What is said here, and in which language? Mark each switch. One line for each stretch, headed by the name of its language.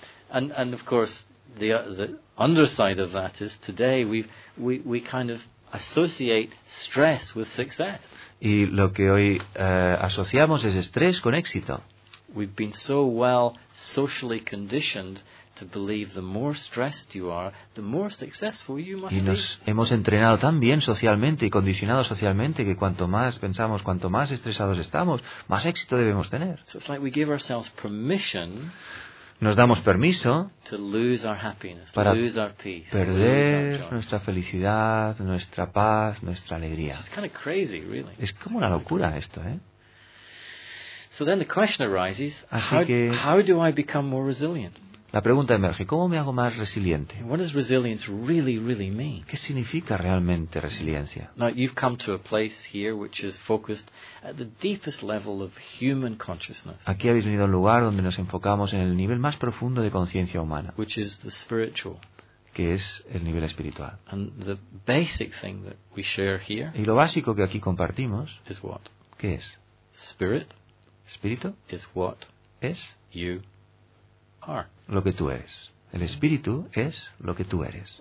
English: And of course the underside of that is today we kind of associate stress with success.
Spanish: Y lo que hoy asociamos es estrés con éxito.
English: We've been so well socially conditioned to believe the more stressed you are, the more successful you must be.
Spanish: Y nos hemos entrenado tan bien socialmente y condicionado socialmente que cuanto más pensamos, cuanto más estresados estamos, más éxito debemos tener.
English: So it's like we give ourselves permission.
Spanish: Nos damos permiso
English: to lose our happiness,
Spanish: para
English: lose our peace,
Spanish: perder
English: lose our
Spanish: nuestra felicidad, nuestra paz, nuestra alegría.
English: It's kind of crazy, really.
Spanish: Es como una locura esto, ¿eh?
English: So then the question arises, how do I become more resilient?
Spanish: La pregunta emerge, ¿cómo me hago más resiliente?
English: What does resilience really, really mean?
Spanish: ¿Qué significa realmente resiliencia?
English: Now you've come to a place here which is focused at the deepest level of human consciousness.
Spanish: Aquí habéis venido a un lugar donde nos enfocamos en el nivel más profundo de conciencia humana.
English: Which is the spiritual.
Spanish: Que es el nivel espiritual.
English: And the basic thing that we share here.
Spanish: Y lo básico que aquí compartimos.
English: Is what?
Spanish: ¿Qué es?
English: Spirit.
Spanish: Espíritu
English: is what
Spanish: es
English: you are.
Spanish: Lo que tú eres. El espíritu es lo que tú eres.